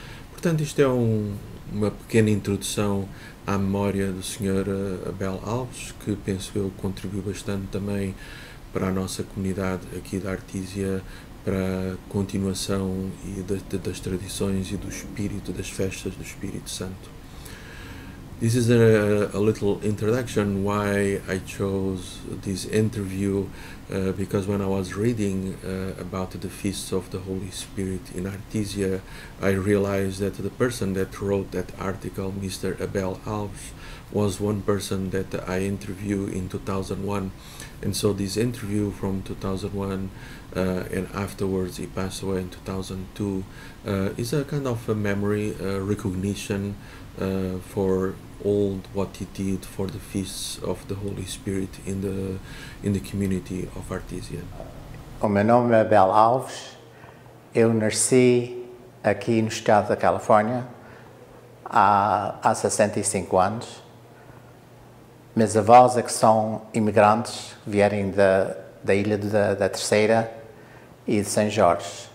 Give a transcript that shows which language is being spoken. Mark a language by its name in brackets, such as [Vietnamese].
[Portuguese] Portanto, isto é uma pequena introdução à memória do Sr. Abel Alves, que penso eu contribuiu bastante também para a nossa comunidade aqui da Artísia, para a continuação e das tradições e do espírito das festas do Espírito Santo. [English] This is a little introduction why I chose this interview, because when I was reading about the feasts of the Holy Spirit in Artesia, I realized that the person that wrote that article, Mr. Abel Alves, was one person that I interviewed in 2001. And so this interview from 2001 and afterwards he passed away in 2002. Is a kind of a memory, a recognition for all what he did for the feasts of the Holy Spirit in the community of Artesia. [Portuguese] O meu nome é Abel Alves. Eu nasci aqui no estado da Califórnia há 65 anos. Meus avós é que são imigrantes, vierem da Ilha da Terceira e de São Jorge.